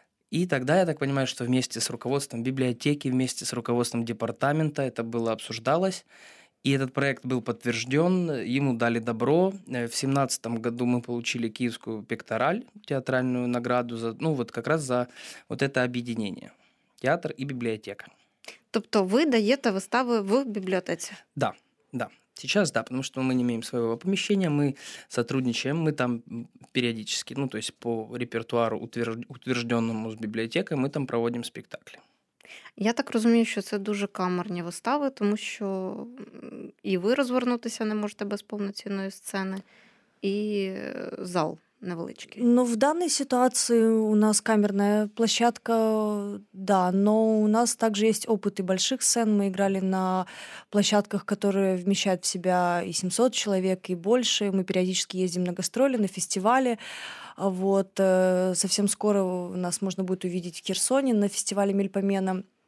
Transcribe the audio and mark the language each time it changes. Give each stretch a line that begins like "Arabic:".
Russian: И тогда, я так понимаю, что вместе с руководством библиотеки, вместе с руководством департамента это было обсуждалось, и этот проект был подтвержден, ему дали добро. В 2017 году мы получили Киевскую пектораль, театральную награду, за, ну, вот как раз за вот это объединение театр и библиотека.
Ukrainian: Тобто ви даєте вистави в бібліотеці?
Russian: Да, да. Сейчас да, потому что мы не имеем своего помещения, мы сотрудничаем, мы там периодически, ну то есть по репертуару утвержденному с библиотекой, мы там проводим спектакли.
Ukrainian: Я так розумію, що це дуже камерні вистави, тому що і ви розвернутися не можете без повноцінної сцени, і зал невеличкий. Ну, в даній ситуації у нас камерна площадка, да, но у нас також є опыт і больших сцен. Ми грали на площадках, які вміщають в себе і 700 чоловік, і більше. Ми періодично їздимо на гастролі, на фестивалі.
Russian: Вот, совсем скоро нас можно будет увидеть в Херсоне на фестивале Мельпомена.